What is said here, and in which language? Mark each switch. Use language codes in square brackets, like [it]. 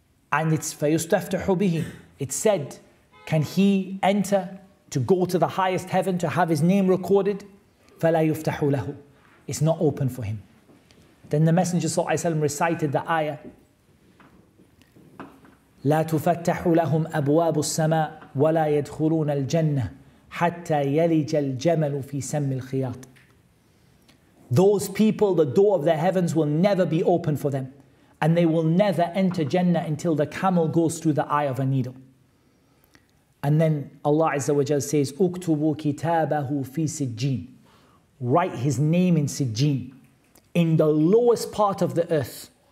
[en] And it's [ar] فَيُسْتَفْتَحُ بِهِ [en] It said, can he enter to go to the highest heaven to have his name recorded? [ar] فَلَا يُفْتَحُ لَهُ [en] It's not open for him. Then the Messenger ﷺ recited the ayah. [ar] لَا تُفَتَّحُ لَهُمْ أَبْوَابُ السَّمَاءِ وَلَا يَدْخُلُونَ الْجَنَّةِ حَتَّى يَلِجَ الْجَمَلُ فِي سَمِّ الْخِيَاطِ [en] Those people, the door of the heavens will never be open for them. And they will never enter Jannah until the camel goes through the eye of a needle. And then Allah Azza wa Jalla says, [ar] Uktubu kitabahu fi sijjin. [en] Write his name in sijjin. In the lowest part of the earth.